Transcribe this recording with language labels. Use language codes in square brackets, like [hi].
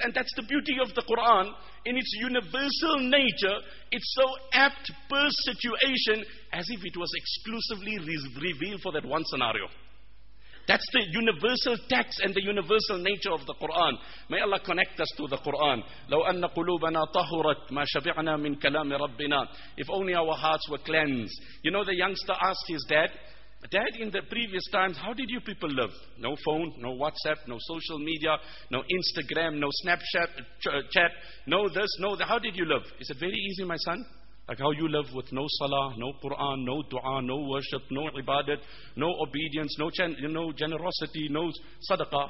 [en] And that's the beauty of the Quran. In its universal nature, it's so apt per situation as if it was exclusively revealed for that one scenario. That's the universal text and the universal nature of the Quran. May Allah connect us to the Quran. [ar] لو أن قلوبنا طهرت ما شبعنا من كلام ربنا. [en] If only our hearts were cleansed. You know, the youngster asked his dad, Dad, in the previous times, how did you people live? No phone, no WhatsApp, no social media, no Instagram, no Snapchat, chat, no this, no that. How did you live? He said, very easy, my son. Like how you live with no salah, no Quran, no dua, no worship, no ibadat, no obedience, no generosity, no sadaqah.